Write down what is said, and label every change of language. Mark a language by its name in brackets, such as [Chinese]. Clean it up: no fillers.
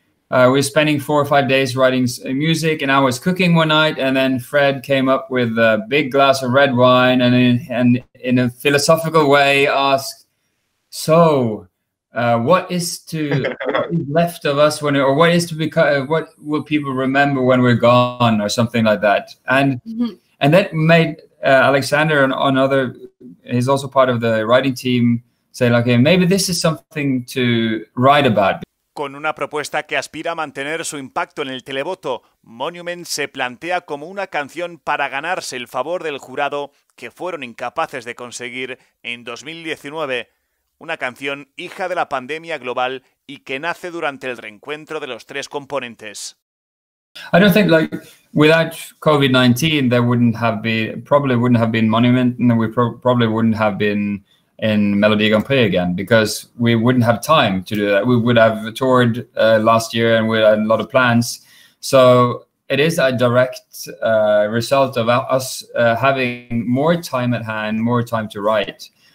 [English] We're spending 4 or 5 days writing music, and I was cooking one night, and then Fred came up with a big glass of red wine, and in a philosophical way asked, "So, what is to left of us when, or what is to become? What will people remember when we're gone, or something like that?" And and that made Alexander and another, he's also part of the writing team, say, "Okay, maybe this is something to write about." [Spanish] Con una propuesta que aspira a mantener su impacto en el televoto, Monument se plantea como una canción para ganarse el favor del jurado que fueron incapaces de conseguir en 2019, una canción hija de la pandemia global y que nace durante el reencuentro de los tres componentes. [English] I don't think, like, without COVID-19 there wouldn't have been, probably wouldn't have been Monument, and we probably wouldn't have been in Melody Grand Prix again, because we wouldn't have time to do that. We would have toured last year, and we had a lot of plans. So it is a direct result of us having more time at hand, more time to write.